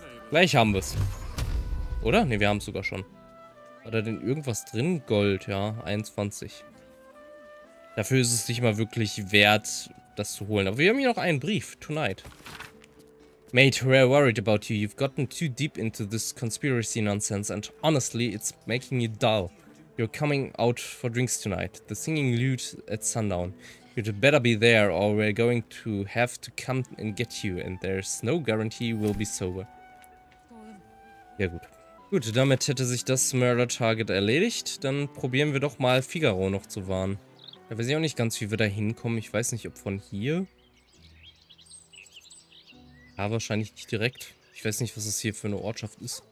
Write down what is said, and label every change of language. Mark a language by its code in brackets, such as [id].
[de] Gleich haben wir es. Oder? Ne, wir haben es sogar schon. War da denn irgendwas drin? Gold, ja. 21. Dafür ist es nicht mal wirklich wert, das zu holen. Aber wir haben hier noch einen Brief. [en] Tonight. Mate, we are worried about you. You've gotten too deep into this conspiracy nonsense. And honestly, it's making you dull. You're coming out for drinks tonight. The singing lute at sundown. You'd better be there or we're going to have to come and get you. And there's no guarantee we'll be sober. [de] Ja, gut. Gut, damit hätte sich das Murder-Target erledigt. Dann probieren wir doch mal, Figaro noch zu warnen. Da weiß ich auch nicht ganz, wie wir da hinkommen. Ich weiß nicht, ob von hier. Ja, wahrscheinlich nicht direkt. Ich weiß nicht, was das hier für eine Ortschaft ist.